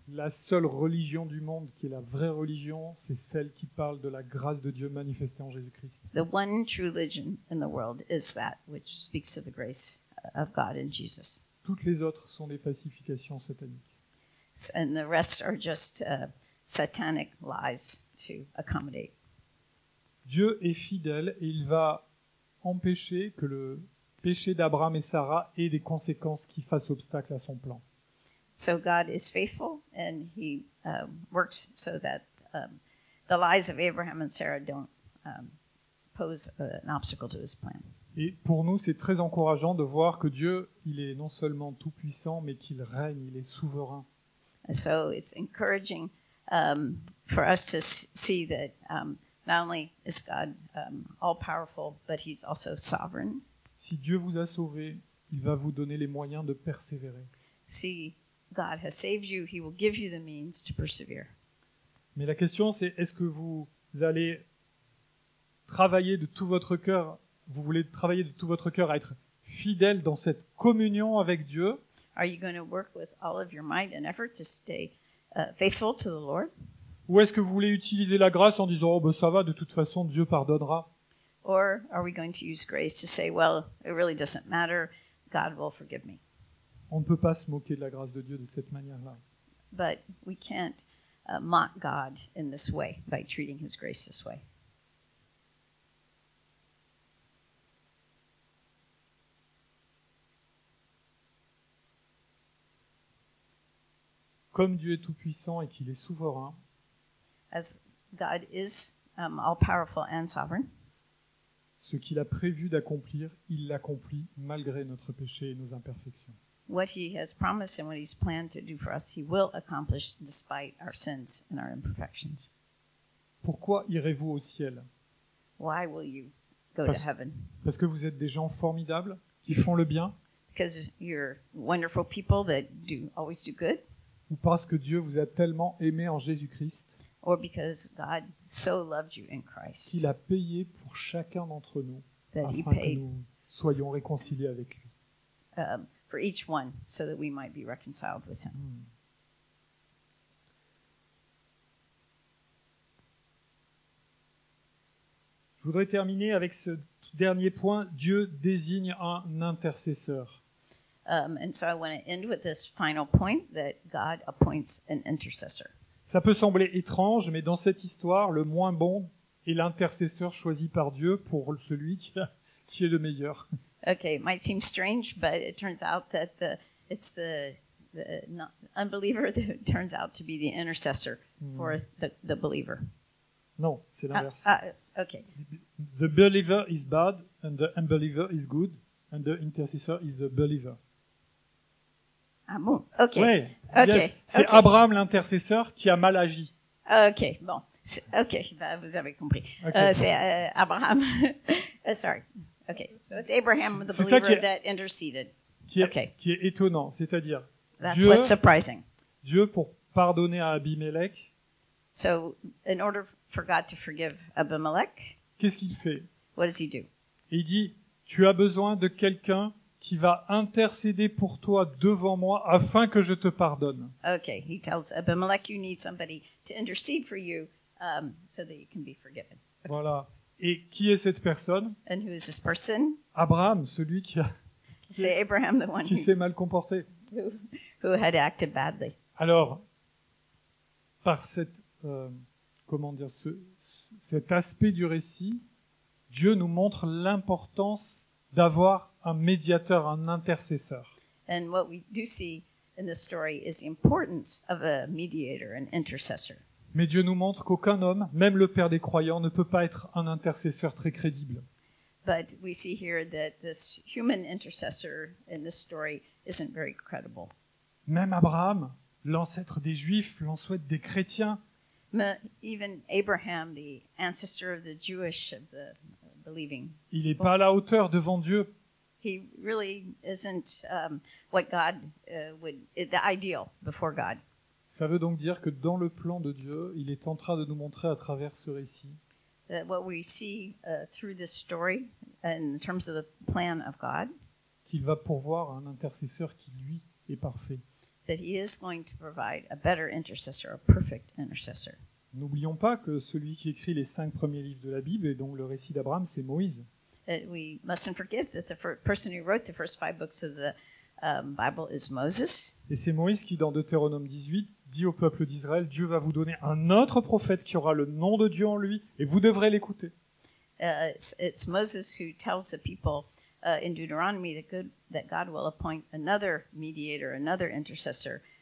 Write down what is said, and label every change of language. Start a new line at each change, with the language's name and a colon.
French: La seule religion du monde qui est la vraie religion, c'est celle qui parle de la grâce de Dieu manifestée en Jésus-Christ.
English: The one true religion in the world is that which speaks of the grace of God in Jesus.
French: Toutes les autres sont des falsifications sataniques.
English: And the rest are just satanic lies to accommodate.
French: Dieu est fidèle et il va empêcher que le péché d'Abraham et Sarah ait des conséquences qui fassent obstacle à son plan.
English: So God is faithful and he works so that the lies of Abraham and Sarah don't pose an obstacle to his plan.
French: Et pour nous, c'est très encourageant de voir que Dieu, il est non seulement tout-puissant mais qu'il règne, il est souverain.
English: And so it's encouraging for us to see that not only is God all-powerful, but he's also sovereign.
French: Si Dieu vous a sauvé, il va vous donner les moyens de persévérer. Si
English: God has saved you, he will give you the means to persevere.
French: Mais la question c'est, est-ce que vous allez travailler de tout votre cœur, vous voulez travailler de tout votre cœur à être fidèle dans cette communion avec Dieu?
English: Are you going to work with all of your might and effort to stay faithful to the Lord?
French: Ou est-ce que vous voulez utiliser la grâce en disant « Oh, ben ça va, de toute façon, Dieu pardonnera. »
English: Or are we going to use grace to say « Well, it really doesn't matter, God will forgive me. »
French: On ne peut pas se moquer de la grâce de Dieu de cette manière-là.
English: But we can't mock God in this way, by treating his grace this way.
French: Comme Dieu est tout-puissant et qu'il est souverain,
English: as God is all powerful and sovereign,
French: Ce qu'il a prévu d'accomplir, il l'accomplit malgré notre péché et nos imperfections.
English: What he has promised and what he's planned to do for us, he will accomplish despite our sins and our imperfections.
French: Pourquoi irez-vous au ciel?
English: Why will you go to heaven?
French: Parce que vous êtes des gens formidables qui font le bien.
English: Because you're wonderful people that do always do good.
French: Ou parce que Dieu vous a tellement aimé en Jésus-Christ.
English: Or because God so loved you in Christ.
French: Qu'il a payé pour chacun d'entre nous afin que nous soyons réconciliés avec lui.
English: For each one, so that we might be reconciled with him.
French: Je voudrais terminer avec ce dernier point. Dieu désigne un intercesseur.
English: And so I want to end with this final point that God appoints an intercessor.
French: Ça peut sembler étrange, mais dans cette histoire, le moins bon est l'intercesseur choisi par Dieu pour celui qui est le meilleur.
English: Okay, it might seem strange, but it turns out that it's the unbeliever that turns out to be the intercessor for the believer.
French: Non, c'est l'inverse.
English: Okay. The believer is bad, and the unbeliever is good, and the intercessor is the believer.
French: Ah bon? Okay. Ouais.
English: Okay.
French: C'est
English: okay.
French: Abraham l'intercesseur qui a mal agi. Okay, bon. Bah, vous avez compris. Okay. C'est Abraham. sorry.
English: Okay, so it's Abraham, the
French: c'est
English: believer
French: qui est,
English: that interceded.
French: Qui est,
English: okay.
French: Qui est étonnant, c'est-à-dire
English: that's
French: Dieu,
English: what's surprising.
French: Dieu pour pardonner à Abimelech.
English: So, in order for God to forgive Abimelech.
French: Qu'est-ce qu'il fait?
English: What does he do?
French: Et il dit, tu as besoin de quelqu'un qui va intercéder pour toi devant moi afin que je te pardonne.
English: Okay, he tells Abimelech, you need somebody to intercede for you so that you can be forgiven. Okay.
French: Voilà. Et qui est cette personne?
English: And who is this person?
French: Abraham, celui qui a c'est Abraham,
English: the one
French: qui s'est mal comporté.
English: Who had acted badly.
French: Alors, par cette comment dire cet aspect du récit, Dieu nous montre l'importance d'avoir un médiateur, un intercesseur.
English: And what we do see in the story is the importance of a mediator, an intercessor.
French: Mais Dieu nous montre qu'aucun homme, même le père des croyants, ne peut pas être un intercesseur très crédible.
English: But we see here that this human intercessor in this story isn't very credible.
French: Même Abraham, l'ancêtre des Juifs, l'ancêtre des chrétiens.
English: But even Abraham, the ancestor of the Jewish, of the believing.
French: Il n'est pas à la hauteur devant Dieu.
English: He really isn't what God would the ideal before God.
French: Ça veut donc dire que dans le plan de Dieu, il est en train de nous montrer à travers ce récit.
English: What we see through this story, in terms of the plan of God,
French: qu'il va pourvoir un intercesseur qui lui est parfait.
English: That he is going to provide a better intercessor, a perfect intercessor.
French: N'oublions pas que celui qui écrit les cinq premiers livres de la Bible et donc le récit d'Abraham, c'est Moïse.
English: We mustn't forget that the person who wrote the first five books of the Bible is Moses.
French: Et c'est Moïse qui, dans Deutéronome 18, dit au peuple d'Israël, Dieu va vous donner un autre prophète qui aura le nom de Dieu en lui, et vous devrez l'écouter.
English: It's Moses who tells the people in Deuteronomy that God will appoint another mediator, another intercessor,